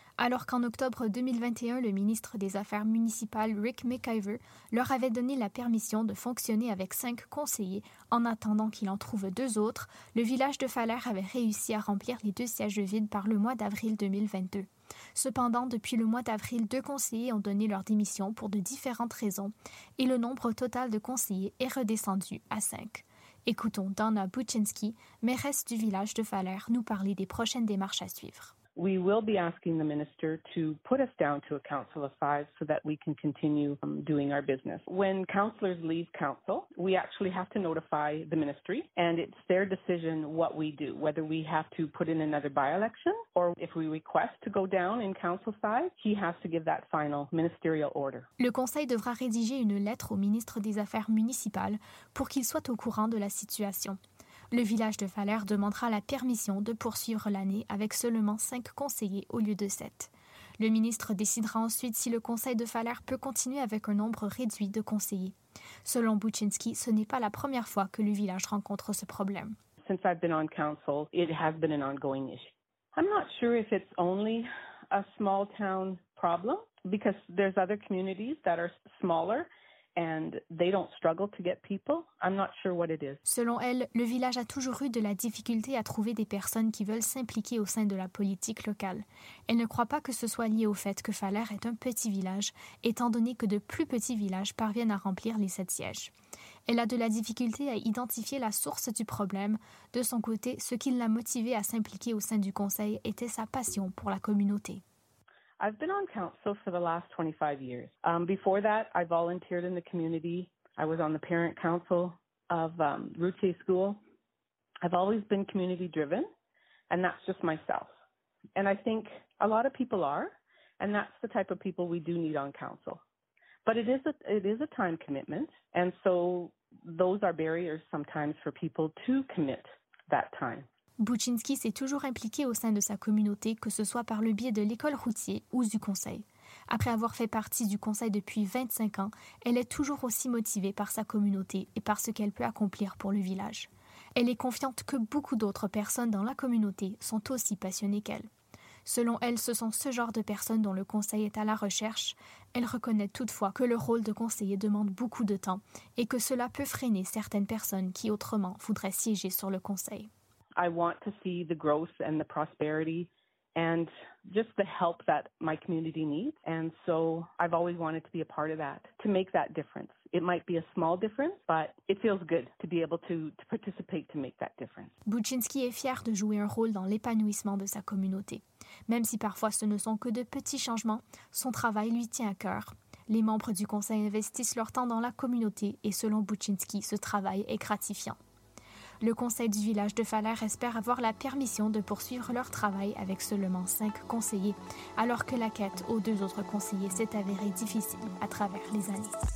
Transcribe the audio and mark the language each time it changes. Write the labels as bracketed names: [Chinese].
[French] Alors qu'en octobre 2021, le ministre des Affaires municipales, Rick McIver, leur avait donné la permission de fonctionner avec 5 conseillers en attendant qu'il en trouve 2 autres, le village de Falaire avait réussi à remplir les 2 sièges vides par le mois d'avril 2022. Cependant, depuis le mois d'avril, 2 conseillers ont donné leur démission pour de différentes raisons et le nombre total de conseillers est redescendu à 5. Écoutons Donna Buchinski, mairesse du village de Falaire, nous parler des prochaines démarches à suivre. [English] We will be asking the minister to put us down to a council of 5 so that we can continue doing our business. When councillors leave council, we actually have to notify the ministry and it's their decision what we do, whether we have to put in another by-election or if we request to go down in council size, he has to give that final ministerial order. [French] Le conseil devra rédiger une lettre au ministre des Affaires municipales pour qu'il soit au courant de la situation. Le village de Falaire demandera la permission de poursuivre l'année avec seulement 5 conseillers au lieu de 7. Le ministre décidera ensuite si le conseil de Falaire peut continuer avec un nombre réduit de conseillers. Selon Buchinski, ce n'est pas la première fois que le village rencontre ce problème. [English] Since I've been on council, it has been an ongoing issue. I'm not sure if it's only a small town problem because there's other communities that are smaller. And they don't struggle to get people. I'm not sure what it is. [French] Selon elle, le village a toujours eu de la difficulté à trouver des personnes qui veulent s'impliquer au sein de la politique locale. Elle ne croit pas que ce soit lié au fait que Falaire est un petit village, étant donné que de plus petits villages parviennent à remplir les 7 sièges. Elle a de la difficulté à identifier la source du problème. De son côté, ce qui l'a motivée à s'impliquer au sein du conseil était sa passion pour la communauté. [English] I've been on council for the last 25 years. Before that, I volunteered in the community I was on the parent council of Routier School. I've always been community driven, and that's just myself. And I think a lot of people are, and that's the type of people we do need on council. But it is a time commitment, and so those are barriers sometimes for people to commit that time. [French] Buczynski s'est toujours impliqué au sein de sa communauté, que ce soit par le biais de l'école Routier ou du conseil. Après avoir fait partie du conseil depuis 25 ans, elle est toujours aussi motivée par sa communauté et par ce qu'elle peut accomplir pour le village. Elle est confiante que beaucoup d'autres personnes dans la communauté sont aussi passionnées qu'elle. Selon elle, ce sont ce genre de personnes dont le conseil est à la recherche. Elle reconnaît toutefois que le rôle de conseiller demande beaucoup de temps et que cela peut freiner certaines personnes qui autrement voudraient siéger sur le conseil. [English] I want to see the growth and the prosperity and just the help that my community needs. And so I've always wanted to be a part of that, to make that difference. It might be a small difference, but it feels good to be able to participate to make that difference. [French] Buczynski est fier de jouer un rôle dans l'épanouissement de sa communauté. Même si parfois ce ne sont que de petits changements, son travail lui tient à cœur. Les membres du conseil investissent leur temps dans la communauté et selon Buczynski, ce travail est gratifiant. Le conseil du village de Falaire espère avoir la permission de poursuivre leur travail avec seulement 5 conseillers, alors que la quête aux 2 autres conseillers s'est avérée difficile à travers les années.